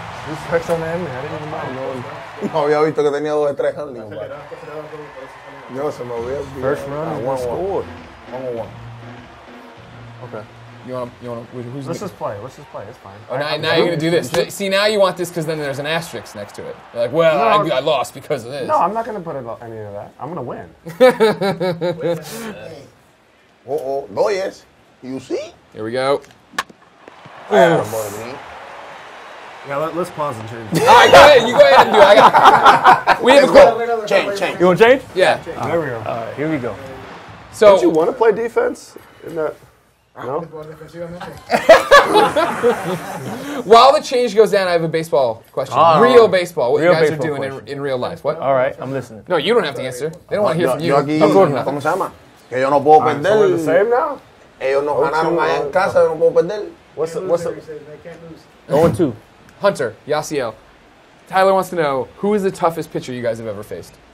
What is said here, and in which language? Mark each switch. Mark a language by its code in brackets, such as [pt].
[en] This text on the end, I didn't even know. [es] No había visto que tenía dos estrellas al niño. No, se me había visto. [en] First run, one scored. 1-1. Okay. You want to? Who's this? Let's just play. It's fine. Oh, now you're going to do this. See, now you want this because then there's an asterisk next to it. You're like, well, no, I lost because of this. No, I'm not going to put any of that. I'm going to win. Uh-oh. No, yes. You see? Here we go. Let's pause and change. All right, go ahead and do it. We have a quote. Change. You want to change? Yeah. There we go. All right, here we go. So, don't you want to play defense in that? No? While the change goes down, I have a baseball question. Real baseball. What real you guys are doing in real life. What? All right, I'm listening. No, you don't have to answer. They don't want to hear from you. [es] Yogi, ¿cómo se llama? Que yo no puedo perder. [en] So we're the same now? [es] Ellos no ganaron allá en casa, yo no puedo perder. [en] What's the? 0-2. Hunter, Yasiel. Tyler wants to know, who is the toughest pitcher you guys have ever faced?